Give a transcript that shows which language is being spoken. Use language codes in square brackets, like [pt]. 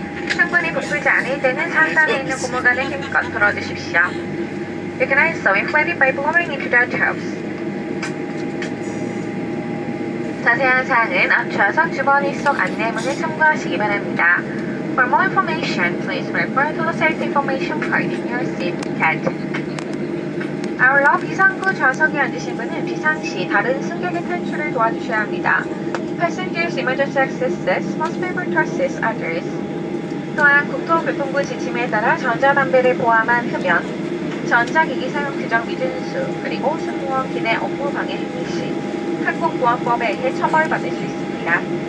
[ko] 충분히 부풀지 않을 때는 상단에 있는 고무관을 힘껏 풀어주십시오. [en] You can also inflate it by blowing into the tubes. [ko] 자세한 사항은 앞 좌석 주머니 속 안내문을 참고하시기 바랍니다. [en] For more information, please refer to the safety information card in your seat pocket. [ko] 아울러 비상구 좌석에 앉으신 분은 비상시 다른 승객의 탈출을 도와주셔야 합니다. [en] Passengers' emergency exits must be able to assist others. [ko] 또한 국토교통부 지침에 따라 전자담배를 포함한 흡연, 전자기기 사용 규정 미준수, 그리고 승무원 기내 업무 방해 행위 시 항공보안법에 의해 처벌받을 수 있습니다.